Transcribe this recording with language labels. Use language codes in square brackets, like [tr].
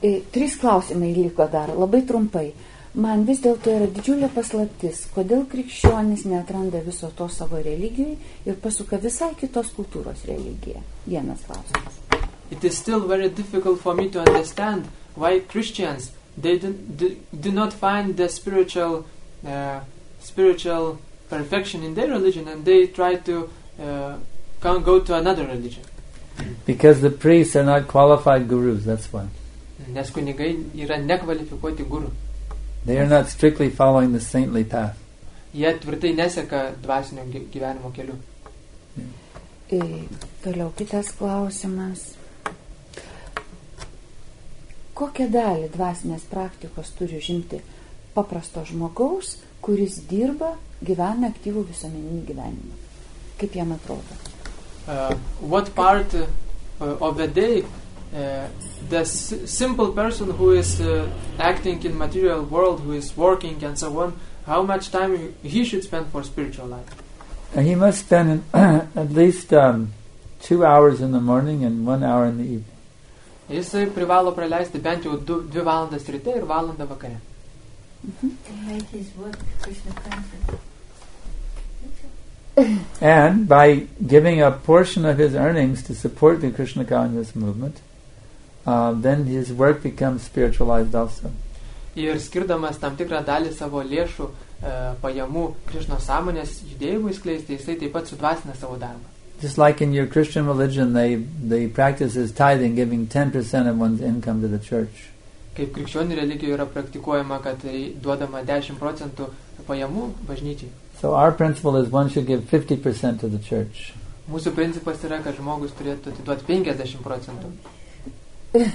[lt] Trys klausimai liko dar, labai trumpai. Man vis dėlto yra didžiulė paslaptis, kodėl krikščionis neatranda viso to savo religijoje ir pasuka visai kitos kultūros religiją. Vienas klausimas. [en] It is still very difficult for me to understand why Christians they do not find the spiritual perfection in their religion and they try to can't go to another religion. Because the priests are not qualified gurus, that's why. [lt] Nes kunigai yra nekvalifikuoti guru. [en] They are not strictly following the saintly path. [lt] Jie tvirtai neseka dvasinio gyvenimo keliu. Toliau kitas klausimas. Kokią dalį dvasinės praktikos turi žimti paprasto žmogaus, kuris dirba, gyvena aktyvų visuomeninį gyvenimą? Kaip jam atrodo? [en] What part of the day the simple person who is acting in material world, who is working and so on, how much time he should spend for spiritual life? He must spend at least 2 hours in the morning and 1 hour in the evening. [lt] Jisai privalo praleisti bent jau 2 valandas ryte ir valandą vakare. [en] To make his work Krishna conscious. And by giving a portion of his earnings to support the Krishna conscious movement, then his work becomes spiritualized also. [lt] Ir skirdamas tam tikrą dalį savo lėšų pajamų Krishna sąmonės judėjimui skleisti, jisai taip pat sudvasina savo darbą. [en] Just like in your Christian religion, the practice is tithing, giving 10% of one's income to the church. [lt] Kaip krikščionių religijoje yra praktikuojama, kad tai duodama 10% pajamų bažnyčiai. [en] So our principle is one should give 50% to the church. [lt] Mūsų principas yra, kad žmogus turėtų atiduoti 50%.